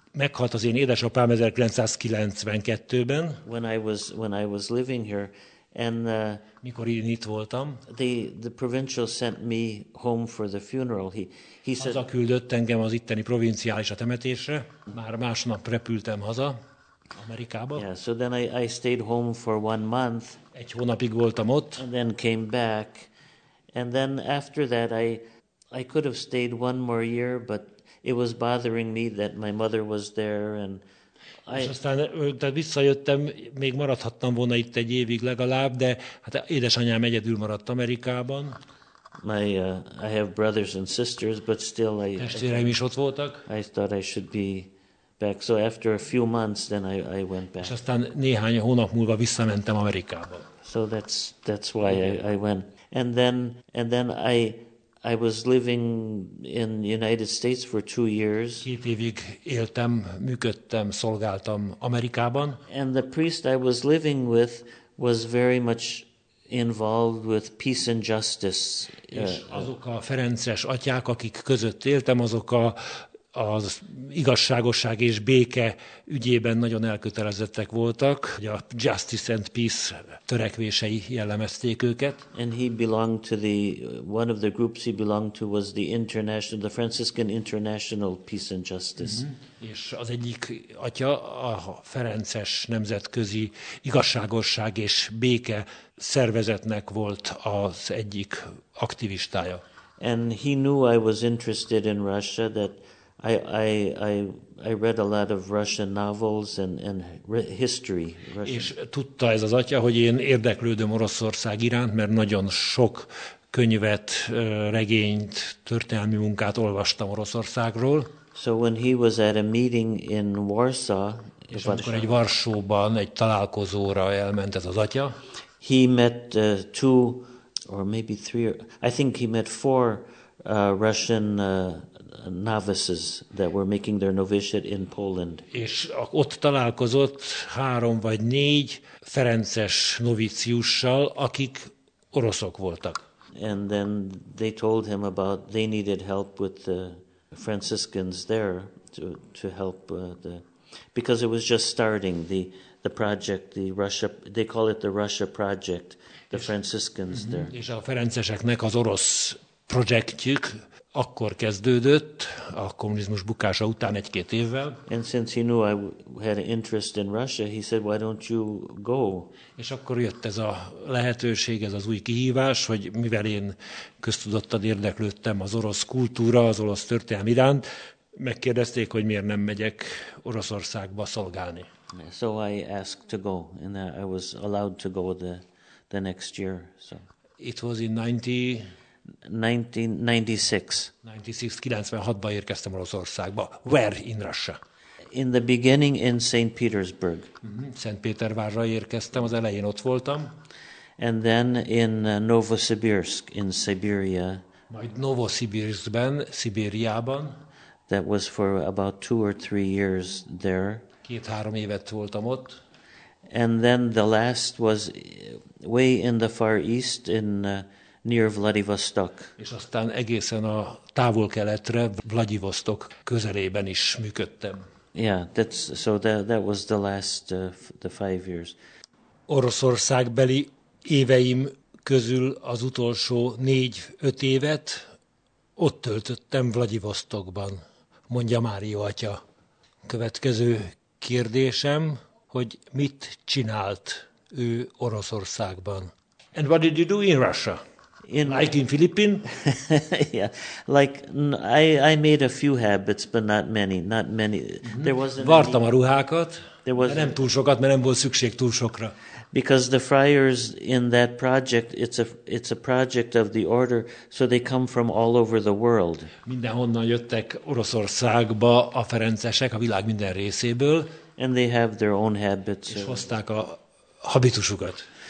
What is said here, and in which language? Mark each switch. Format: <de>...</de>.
<hu>Meghalt az én édesapám 1992-ben.</hu> <en>When I was living here. And</en> <hu>mikor én itt voltam,</hu> <en>the provincial sent me home for the funeral. He said,</en> <hu>haza küldött engem az itteni provinciális a temetésre. Már másnap repültem haza Amerikába.</hu> <en>Yeah, so then I stayed home for 1 month.</en> <hu>Egy hónapig voltam ott.</hu> <en>And then came back. And then after that I could have stayed one more year, but it was bothering me that my mother was there and I.</en> <hu>És aztán visszajöttem, még maradhattam volna itt egy évig legalább, de hát édesanyám egyedül maradt Amerikában.</hu> <en>I have brothers and sisters, but still I.</en> <hu>Testvéreim is ott voltak.</hu> <en>I thought I should be back, so after a few months, then I went back.</en> <hu>És aztán néhány hónap múlva visszamentem Amerikába.</hu> <en>So that's why I went, and then I was living in the United States for 2 years.</en> <hu>Két évig éltem, működtem, szolgáltam Amerikában.</hu> <en>And the priest I was living with was very much involved with peace and justice.</en> <hu>És azok a ferences atyák, akik között éltem, azok az igazságosság és béke ügyében nagyon elkötelezettek voltak, hogy a</hu> <en>justice and peace</en> <hu>törekvései jellemezték őket.</hu> <en>And he belonged to the one of the groups he belonged to was the international, the Franciscan International Peace and Justice. Mm-hmm.</en> <hu>És az egyik atya a ferences nemzetközi igazságosság és béke szervezetnek volt az egyik aktivistája.</hu> <en>And he knew I was interested in Russia, that I read a lot of Russian novels and history. Russian.</en> <hu>És tudta ez az atya, hogy én érdeklődöm Oroszország iránt, mert nagyon sok könyvet, regényt, történelmi munkát olvastam Oroszországról.</hu> <en>So when he was at a meeting in Warsaw,</en> <hu>és amikor egy Varsóban egy találkozóra elment ez az atya,</hu> <en>he met two or maybe three, I think he met four Russian novices that were making their novitiate in Poland.</en> <hu>És ott találkozott három vagy négy ferences novíciussal, akik oroszok voltak.</hu> <en>And then they told him about they needed help with the Franciscans there to help the because it was just starting the project, the Russia, they call it the Russia project, the Franciscans</en> <hu>és,</hu> <en>there.</en> <hu>És a ferenceseknek az orosz projektjük akkor kezdődött, a kommunizmus bukása után egy-két évvel.</hu> <en>And since he knew I had an interest in Russia, he said, why don't you go?</en> <hu>És akkor jött ez a lehetőség, ez az új kihívás, hogy mivel én köztudottan érdeklődtem az orosz kultúra, az orosz történelem iránt, megkérdezték, hogy miért nem megyek Oroszországba szolgálni.</hu> <en>So I asked to go, and I was allowed to go the next year. So. It was in</en> <hu>96-ban érkeztem Oroszországba.</hu> <en>Where in Russia? In the beginning in St. Petersburg.</en> <hu>Szent Pétervárra érkeztem, az elején ott voltam.</hu> <en>And then in Novosibirsk, in Siberia.</en> <hu>Majd Novosibirskben, Szibériában.</hu> <en>That was for about 2 or 3 years there.</en> <hu>2-3 évet voltam ott.</hu> <en>And then the last was way in the far east in near Vladivostok.</en> <hu>És aztán egészen a távol-keletre, Vladivostok közelében is működtem.</hu> <en>Yeah, that was the last the 5 years.</en> <hu>Oroszországbeli éveim közül az utolsó 4-5 évet ott töltöttem Vladivostokban, mondja Mário atya. Következő kérdésem, hogy mit csinált ő Oroszországban?</hu> <en>And what did you do in Russia? In, like in Philippines? I made a few habits, but not many. Mm-hmm. There wasn't.</en> <hu>Vartam a ruhákat.</hu> <en>There was</en> <hu>nem túl sokat, mert nem volt szükség túl sokra.</hu> <en>Because the friars in that project, it's a project of the order, so they come from all over the world.</en> <hu>Mindenhonnan jöttek Oroszországba a ferencesek, a világ minden részéből.</hu> <en>And they have their own habits.</en> <hu>És hozták a habitusukat.</hu>